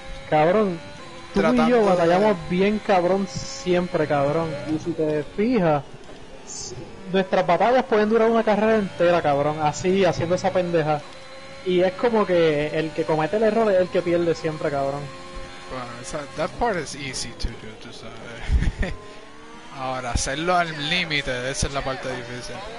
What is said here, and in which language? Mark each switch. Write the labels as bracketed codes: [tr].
[es] Cabrón, tú y yo batallamos bien cabrón siempre, cabrón. Y si te fijas, nuestras batallas pueden durar una carrera entera, cabrón. Así, haciendo esa pendeja. Y es como que el que comete el error es el que pierde siempre, cabrón. Bueno, [en] that part is easy to do, [es] tú sabes. Ahora, hacerlo al límite, esa es la parte difícil.